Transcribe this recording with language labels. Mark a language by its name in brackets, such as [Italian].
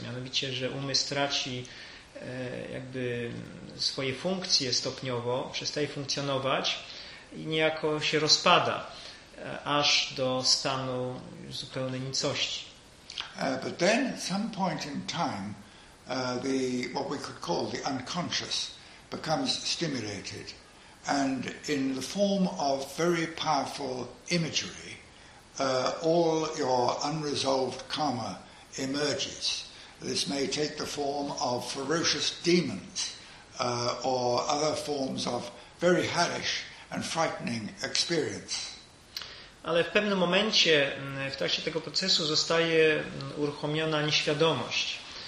[Polish] Mianowicie, że umysł traci jakby swoje funkcje stopniowo, przestaje funkcjonować i niejako się rozpada, aż do stanu zupełnej nicości. [English] But then at some point in time the what we could call the unconscious becomes stimulated and in the form of very powerful imagery all your unresolved karma emerges. This may take the form of ferocious demons or other forms of very hellish and frightening experience. [Polish] Ale w pewnym momencie, w trakcie tego procesu, zostaje uruchomiona nieświadomość.